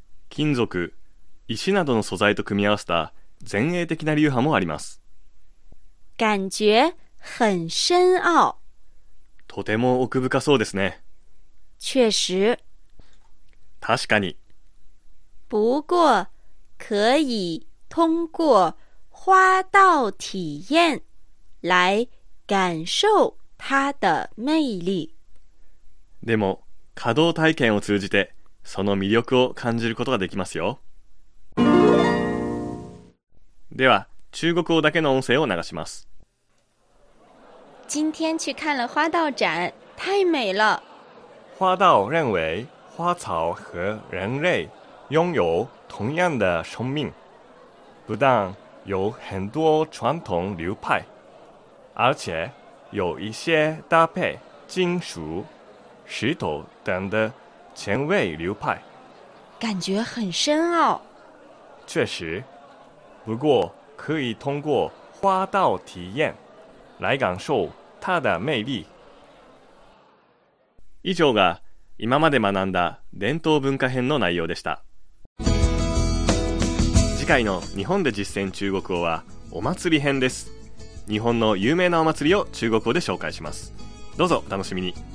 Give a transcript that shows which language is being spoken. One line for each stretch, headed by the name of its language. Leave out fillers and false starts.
Japanese: 金属、石などの素材と組み合わせた前衛的な流派もあります。
Chinese: 感觉很深奥。
Japanese: とても奥深そうですね。
Chinese: 确实。
Japanese: 確かに。
Chinese: 不过可以通过花道体验来感受它的魅力。
Japanese: でも華道体験を通じてその魅力を感じることができますよ。では中国語だけの音声を流します。
Chinese: 今天去看了花道展，太美了。花道认为花草和人类拥有同样的生命，不但有很多传统流派，而且有一些搭配金属、石头等的前卫流派。感觉很深奥。确实，不过可以通过花道体验来感受他的魅力。
Japanese: 以上が今まで学んだ伝統文化編の内容でした。次回の日本で実践中国語はお祭り編です。日本の有名なお祭りを中国語で紹介します。どうぞお楽しみに。